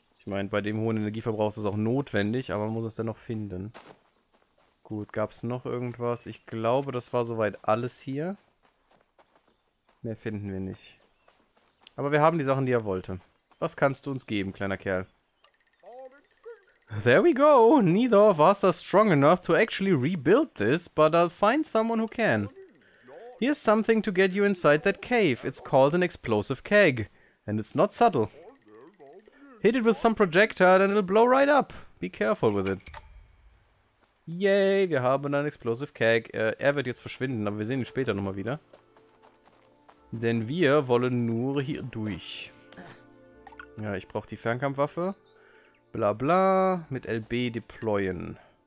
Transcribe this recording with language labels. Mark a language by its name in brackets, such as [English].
[German] Ich meine, bei dem hohen Energieverbrauch ist es auch notwendig, aber man muss es dann noch finden. Gut, gab es noch irgendwas? Ich glaube, das war soweit alles hier. Mehr finden wir nicht. Aber wir haben die Sachen, die er wollte. Was kannst du uns geben, kleiner Kerl? [English] There we go. Neither of us are strong enough to actually rebuild this, but I'll find someone who can. Here's something to get you inside that cave. It's called an explosive keg. And it's not subtle. Hit it with some projectile and it'll blow right up. Be careful with it. [German] Yay, wir haben einen explosive keg. Er wird jetzt verschwinden, aber wir sehen ihn später nochmal wieder. Denn wir wollen nur hier durch. Ja, ich brauche die Fernkampfwaffe. Bla bla, mit LB deployen.